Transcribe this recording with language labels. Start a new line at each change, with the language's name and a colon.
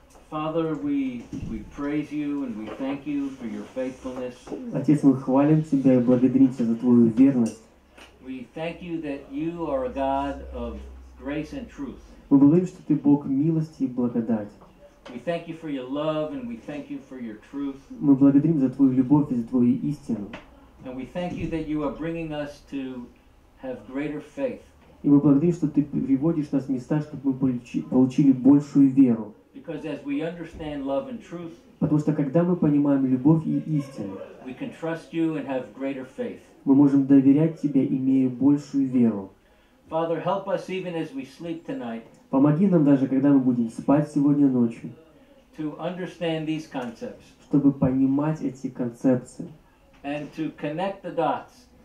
English: Father, we praise you and we thank you for your faithfulness.
Russian: Отец, мы хвалим тебя и благодарим тебя за твою верность.
English: We thank you that you are a God of grace and truth.
Russian: Мы благодарим, что ты Бог милости и благодати.
English: We thank you for your love and we thank you for your truth.
Russian: Мы благодарим за твою любовь и за твою истину.
English: And we thank you that you are bringing us to have greater faith.
Russian: И мы благодарим, что ты приводишь нас в места, чтобы мы получили большую веру.
English: Because as we understand love and truth,
Russian: потому что когда мы понимаем любовь и истину,
English: we can trust you and have greater faith.
Russian: Мы можем доверять тебе, имея большую веру.
English: Father, help us even as we sleep tonight.
Russian: Помоги нам даже, когда мы будем спать сегодня ночью,
English: to understand these concepts,
Russian: чтобы понимать эти концепции,
English: and to connect the dots,